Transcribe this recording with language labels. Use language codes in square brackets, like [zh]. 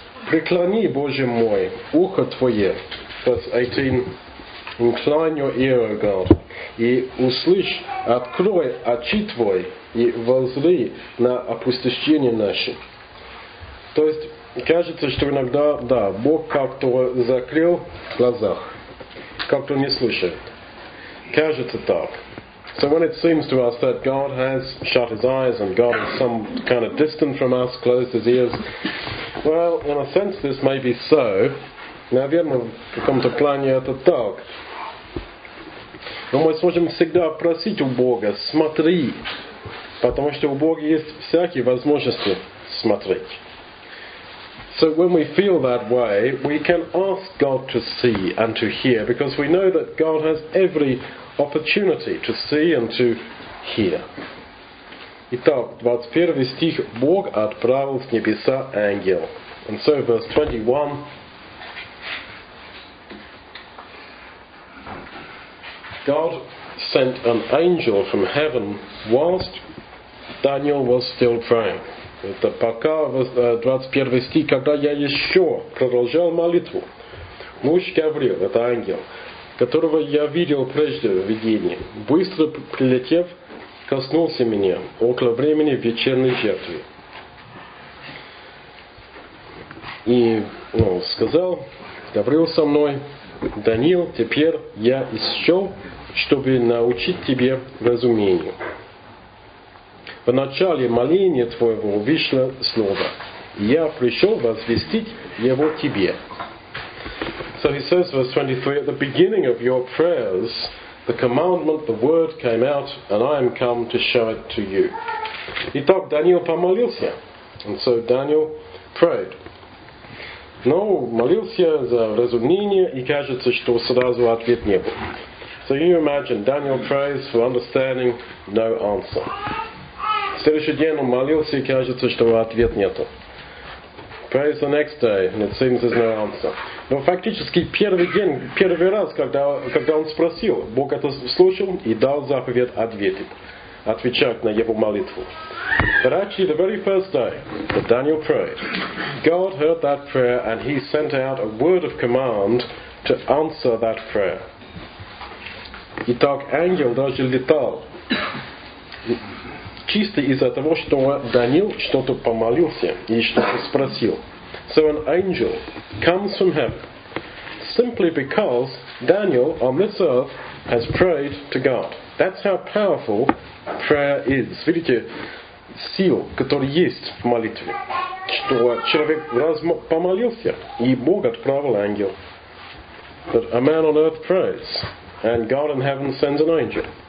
[ru] Преклони, Боже мой, ухо Твое, [en] verse 18, incline your ear, O God, [ru] и услышь, открой очи Твои и воззри на опустошение наше. То есть, кажется, что иногда, да, Бог как-то закрыл глазах, как-то не слышит. Кажется так. [en] So when it seems to us that God has shut his eyes and God is some kind of distant from us, closed his ears, well, in a sense, this may be so. [ru] Наверное, в каком-то плане это так. Но мы сможем всегда просить у Бога, смотри. Потому что у Бога есть всякие возможности смотреть. [en] So when we feel that way, we can ask God to see and to hear, because we know that God has every opportunity to see and to hear. [ru] Итак, 21 стих, Бог отправил с небеса ангел. [en] And so verse 21. God sent an angel from heaven whilst Daniel was still praying. [ru] Это пока 21 стих, когда я еще продолжал молитву. Муж Гавриил, это ангел, которого я видел прежде в видении, быстро прилетев, коснулся меня около времени вечерней жертвы. И сказал, Гавриил со мной, Даниил, теперь я исчел, чтобы научить тебе разумению. В начале моления твоего вышло слово, и я пришел возвестить его тебе. [en] So he says, verse 23, at the beginning of your prayers, the commandment, the word came out, and I am come to show it to you. [ru] Итак, Даниил помолился. [en] And so Daniel prayed. [ru] Но молился за разумение, и кажется, что сразу ответ не был. [en] So you imagine, Daniel prays for understanding, no answer. [ru] Следующий день он молился, и кажется, что ответ нету. [en] Prays the next day, and it seems there's no answer. [ru] Но фактически первый день, первый раз, когда он спросил, Бог это слушал и дал заповедь ответить, отвечать на его молитву. [en] But actually, the very first day that Daniel prayed, God heard that prayer, and he sent out a word of command to answer that prayer. [ru] Итак, ангел даже летал. Чисто из-за того, что Даниил что-то помолился и что-то спросил. [en] So an angel comes from heaven simply because Daniel on this earth has prayed to God. That's how powerful prayer is. [ru] Видите, сил, который есть в молитве. Что человек раз помолился, и Бог отправил ангел. [en] But a man on earth prays, and God in heaven sends an angel.